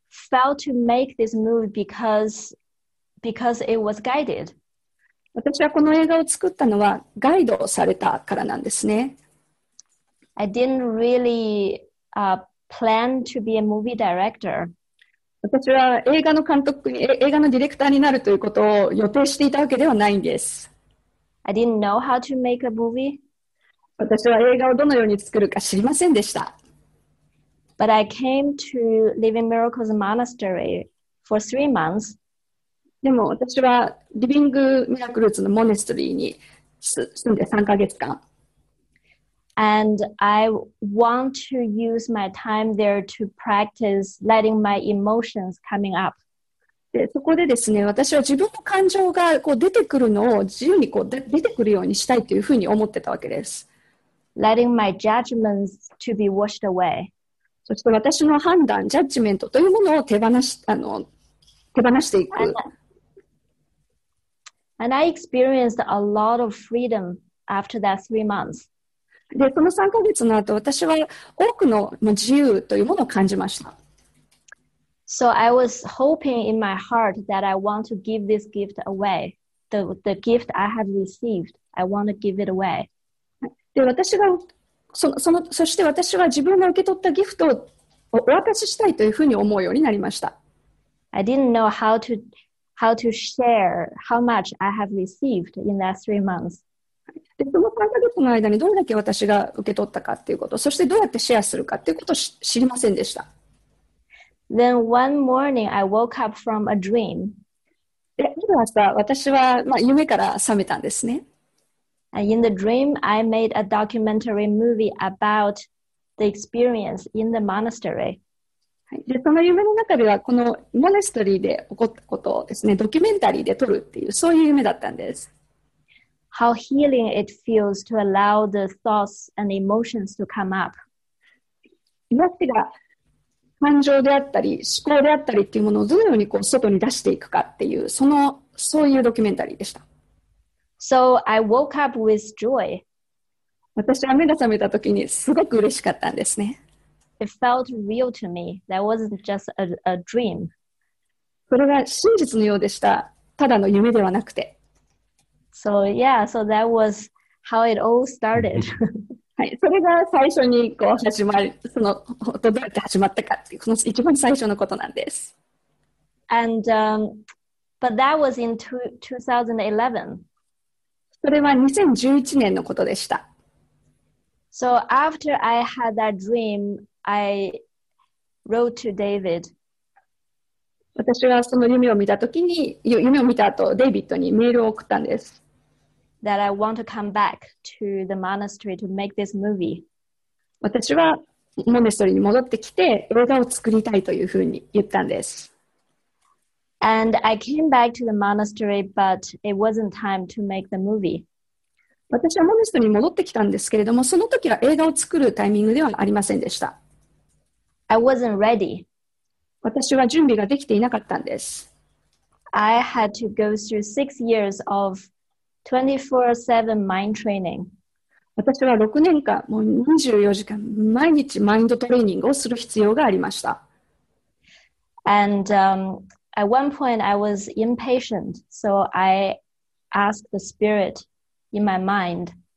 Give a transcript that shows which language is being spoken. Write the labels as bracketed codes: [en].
[en] Felt to make this move because it was guided. [ja] 私はこの映画を作ったのはガイドされたからなんですね。 [en] I didn't really plan to be a movie director. [ja] 私は映画のディレクターになるということを予定していたわけではないんです。 [en] I didn't know how to make a movie. [ja] 私は映画をどのように作るか知りませんでした。 [en] But I came to Living Miracles Monastery for 3 months. [ja] でも私は Living Miracles のモネストリーに住んで3ヶ月間。 [en] And I want to use my time there to practice letting my emotions coming up. [ja] でそこでですね、私は自分の感情がこう出てくるのを自由にこう出てくるようにしたいというふうに思ってたわけです。 [en] letting my judgments to be washed away. [ja] そして私の判断、ジャッジメントというものを手放していく。 [en] And I experienced a lot of freedom after that 3 months. [ja] で、その3ヶ月の後、私は多くの自由というものを感じました。 [en] So I was hoping in my heart that I want to give this gift away. The gift I have received, I want to give it away. [ja] で、私が、そして私は自分が受け取ったギフトをお渡ししたいというふうに思うようになりました。 [en] I didn't know how to share how much I have received in that 3 months. [ja] で、その3ヶ月の間にどれだけ私が受け取ったかということ、そしてどうやってシェアするかということを知りませんでした。 [en] Then one morning I woke up from a dream. [ja] で、ある朝、私は、夢から覚めたんですね。 [en] And in the dream, I made a documentary movie about the experience in the monastery. [ja] で、その夢の中では、このモネストリーで起こったことをですね、ドキュメンタリーで撮るっていう、そういう夢だったんです。 [en] How healing it feels to allow the thoughts and emotions to come up. [ja] 今ってが感情であったり、思考であったりっていうものをどのようにこう外に出していくかっていう、そういうドキュメンタリーでした。 [en] So I woke up with joy. [ja] 私は目が覚めた時にすごく嬉しかったんですね。 [en] It felt real to me. That wasn't just a dream. [ja] それが真実のようでした。ただの夢ではなくて。 [en] So yeah, so that was how it all started. [ja] はい、それが最初にこう始まる、その、どうやって始まったかっていう、この一番最初のことなんです。 [en] And, but that was in 2011. [ja] それは2011年のことでした。 [en] So after I had that dream, I wrote to David. [ja] 私はその夢を見たときに、夢を見た後、デイビッドにメールを送ったんです。 [en] That I want to come back to the monastery to make this movie. [ja] 私はモネストリーに戻ってきて、映画を作りたいというふうに言ったんです。 [en] And I came back to the monastery, but it wasn't time to make the movie. [ja] 私はモネストリーに戻ってきたんですけれども、その時は映画を作るタイミングではありませんでした。 [en] I wasn't ready. [ja] 私は準備ができていなかったんです。 [en] I had to go through 6 years of 24/7 mind training. [ja] 私は6年間、もう24時間、毎日マインドトレーニングをする必要がありました。 [en] And, At one point, I was impatient, so I asked the spirit in my mind.